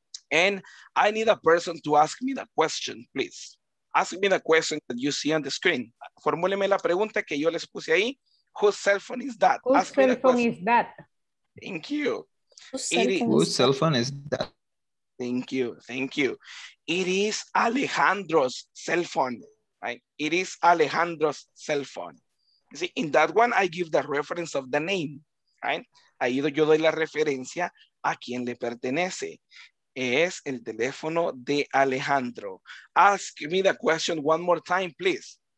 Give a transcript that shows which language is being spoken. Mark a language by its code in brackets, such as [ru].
[en] And I need a person to ask me the question, please. Ask me the question that you see on the screen. [es] Formúleme la pregunta que yo les puse ahí. [en] Whose cell phone is that? Whose cell phone is that? Thank you. Whose cell phone is that? Thank you. Thank you. It is Alejandro's cell phone, right? It is Alejandro's cell phone. You see, in that one, I give the reference of the name, right? [es] Ahí yo doy la referencia a quien le pertenece. Es el teléfono de Alejandro. [en] Ask me the question one more time, please.